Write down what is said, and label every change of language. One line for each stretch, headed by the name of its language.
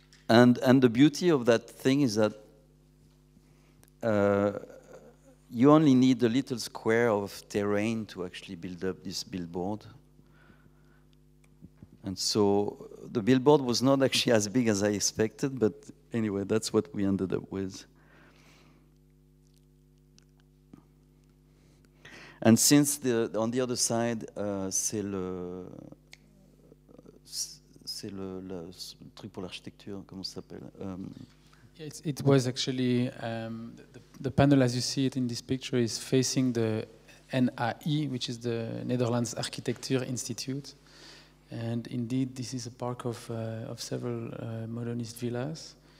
English: And the beauty of that thing is that you only need a little square of terrain to actually build up this billboard. And so the billboard was not actually as big as I expected, but anyway, that's what we ended up with. And since on the other side,
French: c'est le truc pour l'architecture, comment ça s'appelle?
English: It was actually the panel, as you see it in this picture, is facing the NAI, which is the Netherlands Architecture Institute. And indeed, this is a park of several modernist villas.